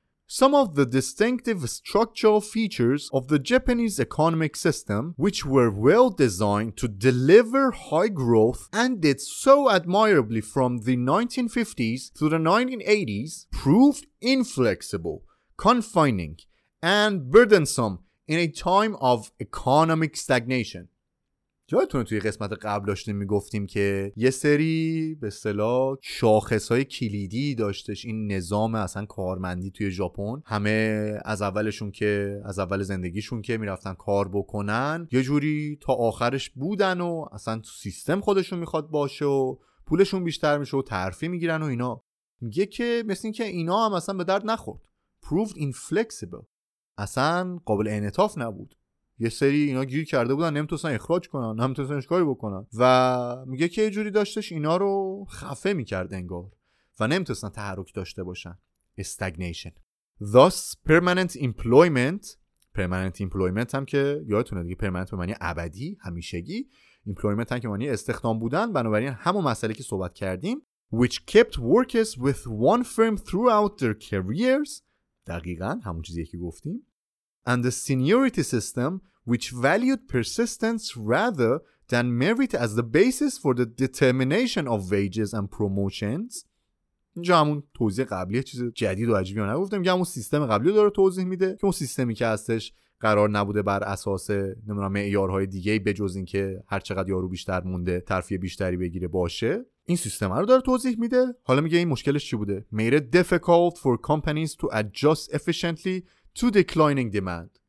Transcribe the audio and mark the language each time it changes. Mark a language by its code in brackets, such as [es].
[en] Some of the distinctive structural features of the Japanese economic system, which were well designed to deliver high growth and did so admirably from the 1950s to the 1980s, proved inflexible, confining, and burdensome in a time of economic stagnation. [fa] جایتونه توی قسمت قبل داشتیم میگفتیم که یه سری به اصطلاح شاخصهای کلیدی داشتش این نظام اصلا کارمندی توی ژاپن، همه از اولشون که از اول زندگیشون که میرفتن کار بکنن یه جوری تا آخرش بودن و اصلا تو سیستم خودشون میخواد باشه و پولشون بیشتر میشه و ترفی میگیرن و اینا. میگه که مثل این که اینا هم اصلا به درد نخورد، [en] proved inflexible، [fa] اصلا قابل انعطاف نبود. یه سری اینا گیر کرده بودن نمیتونستن اخراج کنن، نمیتونستن کاری بکنن و میگه که یه جوری داشتش اینا رو خفه میکرد انگار و نمیتونستن تحرک داشته باشن. استگنیشن. [en] Thus permanent employment. permanent employment [fa] هم که یادتونه دیگه، permanent به معنی ابدی، همیشگی. employment هم که معنی استخدام بودن، بنابراین همون مسئله که صحبت کردیم. [en] Which kept workers with one firm throughout their careers. [fa] دقیقاً همون چیزی که گفتیم. [en] And the seniority system, which valued persistence rather than merit as the basis for the determination of wages and promotions. [fa] اینجا همون توضیح قبلی چیز جدید و عجیبی رو نگفتم، یه همون سیستم قبلی داره توضیح میده که اون سیستمی که هستش قرار نبوده بر اساس نمیدونم معیارهای دیگه بجز این که هر چقدر یارو بیشتر مونده ترفیه بیشتری بگیره باشه، این سیستم رو داره توضیح میده. حالا میگه این مشکلش چی بوده؟ [en] Made it difficult for companies to adjust efficiently to declining demand.